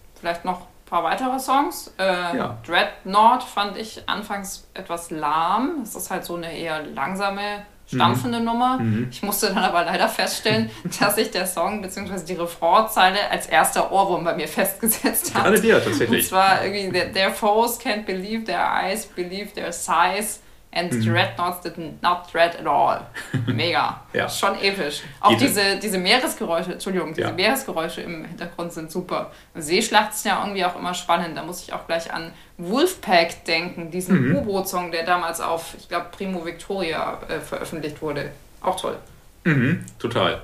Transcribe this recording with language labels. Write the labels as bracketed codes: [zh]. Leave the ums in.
[de] Vielleicht noch ein paar weitere Songs. Äh, Ja. Dreadnought fand ich anfangs etwas lahm. Es ist halt so eine eher langsame, stampfende Nummer. Ich musste dann aber leider feststellen, dass sich der Song bzw. die Refrainzeile als erster Ohrwurm bei mir festgesetzt hat. Gerade der Und tatsächlich. zwar irgendwie, [en] their, their foes can't believe their eyes, believe their size. And dreadnoughts did not dread at all. [de] Mega. Ja. Schon episch. Auch Geht diese, diese Meeresgeräusche, Entschuldigung, diese Ja. Meeresgeräusche im Hintergrund sind super. Seeschlacht ist ja irgendwie auch immer spannend. Da muss ich auch gleich an Wolfpack denken, diesen U-Boot-Song, der damals auf, ich glaube, Primo Victoria äh, veröffentlicht wurde. Auch toll. Mhm, total.